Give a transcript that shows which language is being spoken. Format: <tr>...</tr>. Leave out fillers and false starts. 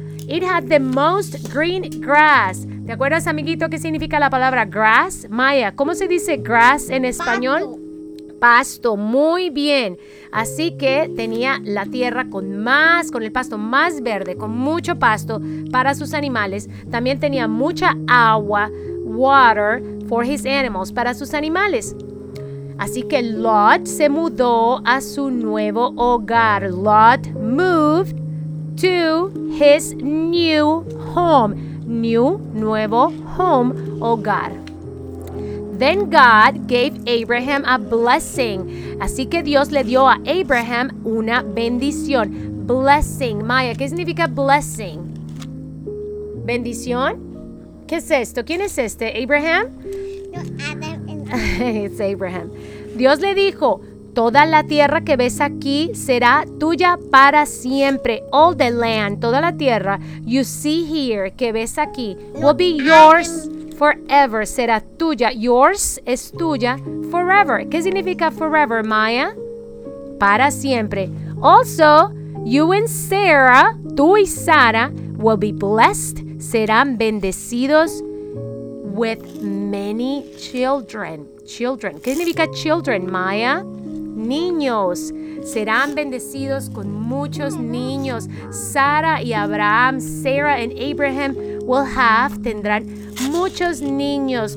<en>It had the most green grass.</en> <es>¿Te acuerdas, amiguito, qué significa la palabra grass? Maya, ¿cómo se dice grass en español? Pasto. Pasto. Muy bien. Así que tenía la tierra con más, con el pasto más verde, con mucho pasto para sus animales. También tenía mucha agua, water,</es> <en>for his animals,</en> <es>para sus animales. Así que Lot se mudó a su nuevo hogar.</es> <en>Lot moved to his new home. New, nuevo home, hogar. Then God gave Abraham a blessing.</en> <es>Así que Dios le dio a Abraham una bendición. Blessing. Maya, ¿qué significa blessing? ¿Bendición? ¿Qué es esto? ¿Quién es este? ¿Abraham? No, Adam.</es> <en>It's Abraham.</en> <es>Dios le dijo, toda la tierra que ves aquí será tuya para siempre.</es> <en>All the land,</en> <es>toda la tierra</es> <en>you see here,</en> <es>que ves aquí,</es> <en>will be yours forever.</en> <es>Será tuya. Yours es tuya forever. ¿Qué significa forever, Maya? Para siempre.</es> <en>Also, you and Sarah,</en> <es>tú y Sara,</es> <en>will be blessed.</en> <es>Serán bendecidos</es> <en>with many children. Children.</en> <es>¿Qué significa children, Maya? Niños. Serán bendecidos con muchos niños. Sara y Abraham,</es> <en>Sarah and Abraham will have,</en> <es>tendrán muchos niños.</es>